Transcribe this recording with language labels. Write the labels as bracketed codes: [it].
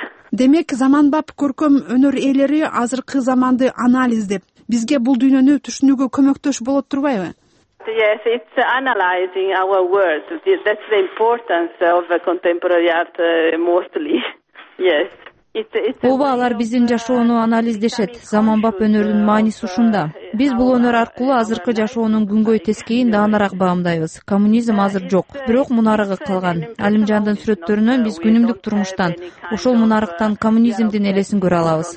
[ky] Демек, заманбап көркөм өнөр ээлери азыркы заманды анализдеп, бизге бул дүйнөнү түшүнүүгө көмөктөш болот турбайбы? [en] Yes, it's analyzing our world. That's the importance of contemporary art mostly. Yes. [ky] Ооба, алар биздин жашоону анализдешет. Заманбап өнөрдүн мааниси ушунда. Биз бул өнөр аркылуу азыркы жашоонун күнгөй тескейин даанараак баамдайбыз. Коммунизм азыр жок, бирок мунарыгы калган. Алимжандын сүрөттөрүнөн биз күнүмдүк турмуштан, ошол мунарыктан коммунизмдин элесин көрө алабыз.